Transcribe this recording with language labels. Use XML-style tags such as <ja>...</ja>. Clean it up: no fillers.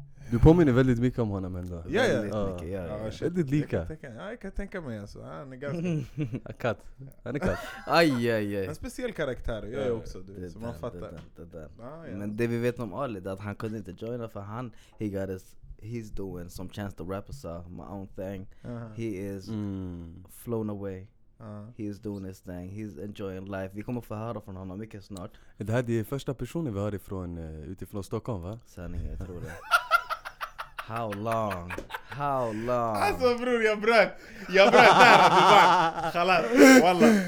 <sv>Du påminner väldigt mycket om honom ändå. Ja. Väldigt lika. Jag kan tänka mig alltså. Han är ganska... Katt. Han är katt. Aj. En speciell karaktär. Jag är också, du. Det som där, man fattar. Det där. Men det vi vet om Ali är att han kunde inte joina för han...</sv> <en>He got his... He's doing some Chance the Rapper song. My own thing. Uh-huh. He is flown away. He is doing his thing. He's enjoying life.</en> <sv>Vi kommer få höra från honom mycket snart. Det här är den första personen vi har ifrån utifrån Stockholm, va? Sanningen, jag tror det.</sv> <en>How long?</en> <sv>Alltså bror, jag bröt där. Khalas, walla.</sv>